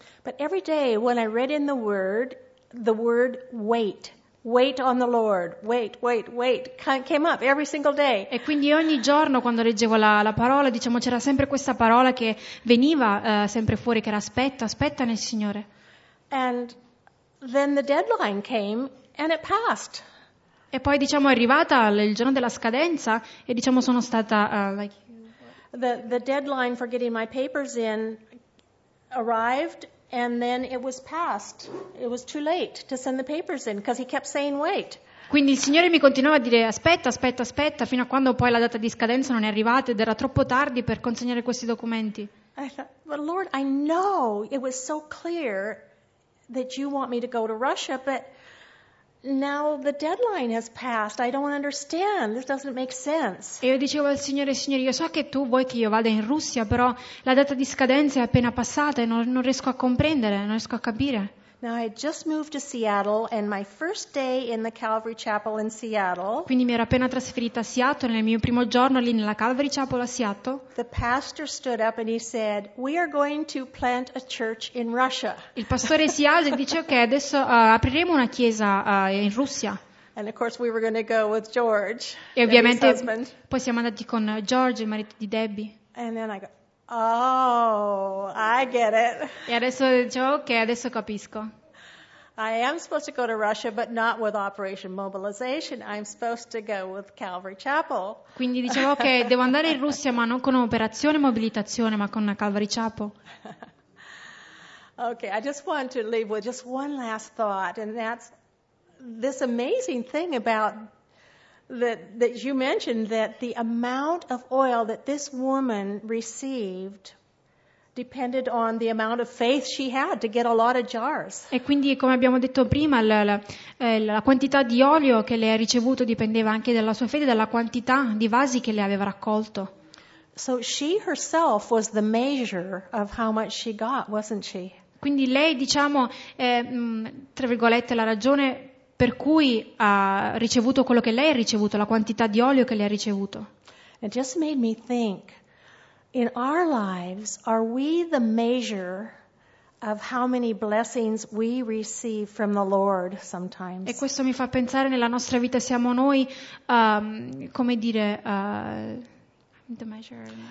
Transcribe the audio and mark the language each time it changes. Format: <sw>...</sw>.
<en>But every day when I read in the word wait. Wait on the Lord. Wait. Came up every single day.</en> <it>E quindi ogni giorno quando leggevo la parola, diciamo, c'era sempre questa parola che veniva sempre fuori, che era aspetta nel Signore.</it> <en>And then the deadline came and it passed.</en> <it>E poi diciamo è arrivata il giorno della scadenza e diciamo sono stata</it> <en>The deadline for getting my papers in arrived. And then it was passed. It was too late to send the papers in because he kept saying wait.</en> <it>Quindi il Signore mi continuava a dire aspetta fino a quando poi la data di scadenza non è arrivata ed era troppo tardi per consegnare questi documenti.</it> <en>I thought, but Lord, I know it was so clear that you want me to go to Russia, but now the deadline has passed. I don't understand. This doesn't make sense.</en> <it>E io dicevo al Signore, io so che tu vuoi che io vada in Russia, però la data di scadenza è appena passata e non riesco a comprendere, non riesco a capire.</it> <en>Now I just moved to Seattle and my first day in the Calvary Chapel in Seattle.</en> <it>Quindi mi ero appena trasferita a Seattle nel mio primo giorno lì nella Calvary Chapel a Seattle.</it> <en>The pastor stood up and he said, "We are going to plant a church in Russia."</en> <it>Il pastore si alza e dice che adesso apriremo una chiesa in Russia.</it> <en>And of course we were going to go with George.</en> <it>E ovviamente poi siamo andati con George, il marito di Debbie.</it> <en>And then I go, oh, I get it.</en> <it>E adesso dicevo, ok, adesso capisco.</it> <en>I am supposed to go to Russia, but not with Operation Mobilization. I'm supposed to go with Calvary Chapel.</en> <it>Quindi dicevo, ok, devo andare in Russia, ma non con Operazione Mobilitazione, ma con Calvary Chapel.</it> <en>Okay, I just want to leave with just one last thought, and that's this amazing thing about that you mentioned, that the amount of oil that this woman received depended on the amount of faith she had to get a lot of jars.</en> <it>E quindi, come abbiamo detto prima, la quantità di olio che lei ha ricevuto dipendeva anche dalla sua fede, dalla quantità di vasi che lei aveva raccolto.</it> <en>So she herself was the measure of how much she got, wasn't she?</en> <it>Quindi lei, diciamo, tra virgolette, la ragione per cui ha ricevuto quello che lei ha ricevuto, la quantità di olio che lei ha ricevuto.</it> <en>It just made me think. In our lives, are we the measure of how many blessings we receive from the Lord sometimes?</en> <it>E questo mi fa pensare, nella nostra vita siamo noi, come dire,</it> <en>the measure.</en>